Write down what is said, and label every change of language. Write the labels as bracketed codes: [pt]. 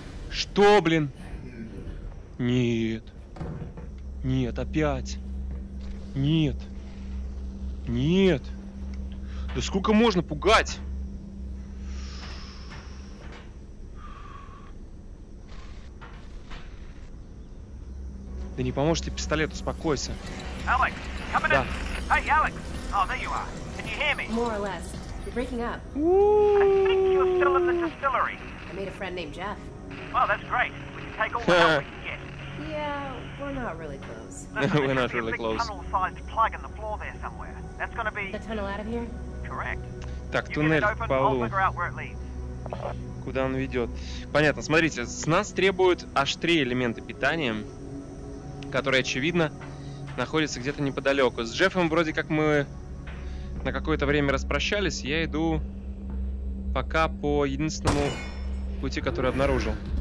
[ru] Что, блин? Нет. Нет, опять. Нет. Нет. Да сколько можно пугать? Да не поможет тебе пистолет, успокойся. [en] Alex, come in. [ru] Да. [en] Hey, Alex. Oh, there you are. Can you hear me? More or less. You're breaking up. I think you're still in the distillery. I made a friend named Jeff. Well, that's great. We can take all the help. Yeah, we're not really close. Listen, we're not really close. There's a big tunnel-sized plug in the floor there somewhere. That's gonna be... The tunnel out of here? Correct. [ru] Так, туннель по полу. [en] You get it open, I'll figure out where it leads. [ru] Куда он ведет? Понятно, смотрите, с нас требуют аж три элемента питания, которые, очевидно, находятся где-то неподалеку. С Джеффом вроде как мы на какое-то время распрощались. Я иду пока по единственному пути, который обнаружил.